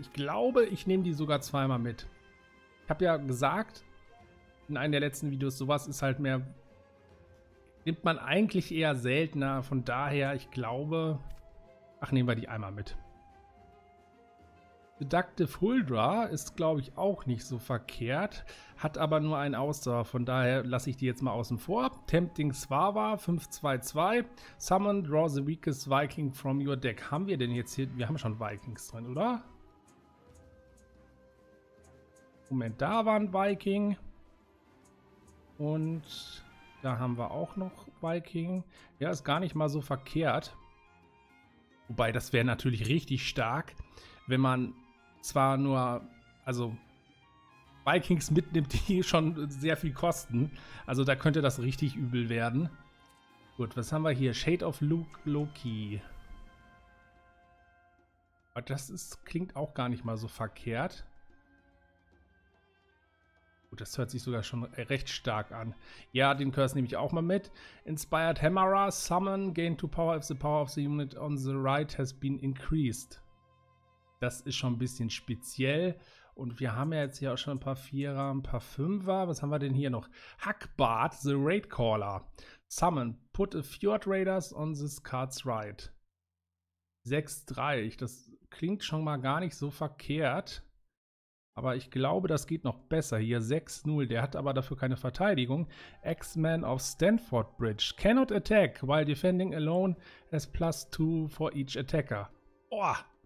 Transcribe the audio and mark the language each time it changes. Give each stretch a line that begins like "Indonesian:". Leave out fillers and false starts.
German: Ich glaube, ich nehme die sogar zweimal mit. Ich habe ja gesagt, in einem der letzten Videos, sowas ist halt mehr, nimmt man eigentlich eher seltener. Von daher, ich glaube, ach, nehmen wir die einmal mit. Deductive Huldra ist, glaube ich, auch nicht so verkehrt, hat aber nur einen Ausdauer, von daher lasse ich die jetzt mal außen vor.
English: Tempting Swava, 5-2-2. Summon, draw the weakest Viking from your deck.
German: Haben wir denn jetzt hier, wir haben schon Vikings drin, oder? Moment, da war ein Viking. Und da haben wir auch noch Viking. Ja, ist gar nicht mal so verkehrt. Wobei, das wäre natürlich richtig stark, wenn man zwar nur, also Vikings mitnimmt, die schon sehr viel kosten. Also da könnte das richtig übel werden. Gut, was haben wir hier?
English: Shade of Loki.
German: Aber das klingt auch gar nicht mal so verkehrt. Gut, das hört sich sogar schon recht stark an. Ja, den Curse nehme ich auch mal mit.
English: Inspired Hammerer, summon, gain 2 power if the power of the unit on the right has been increased.
German: Das ist schon ein bisschen speziell. Und wir haben ja jetzt hier auch schon ein paar Vierer, ein paar Fünfer. Was haben wir denn hier noch? Hackbart, the Raid Caller.
English: Summon, put a Fjord Raiders on this card's right.
German: 6-3. Das klingt schon mal gar nicht so verkehrt. Aber ich glaube, das geht noch besser. Hier 6-0. Der hat aber dafür keine Verteidigung.
English: X-Men of Stamford Bridge. Cannot attack while defending alone as plus 2 for each attacker. Boah.